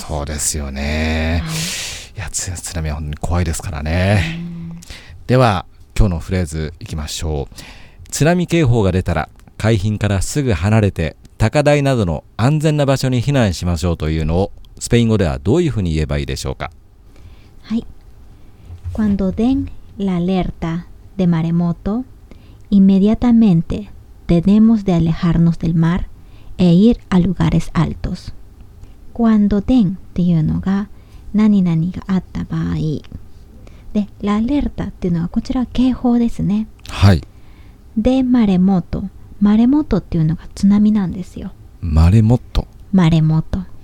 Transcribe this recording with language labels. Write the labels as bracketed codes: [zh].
[ja] そうですよね、はい、いや津波は本当に怖いですからね。では今日のフレーズいきましょう。津波警報が出たら海浜からすぐ離れて高台などの安全な場所に避難しましょうというのをスペイン語ではどういうふうに言えばいいでしょうか？はい。 [es] Cuando den la alerta de maremoto, inmediatamente tenemos de alejarnos del mar e ir a lugares altos. Cuando den [ja] っていうのが何々があった場合。で、la alerta っていうのはこちらは警報ですね。はい。で、maremoto。 maremotoっていうのが津波なんですよ。 [es] maremoto。 maremoto。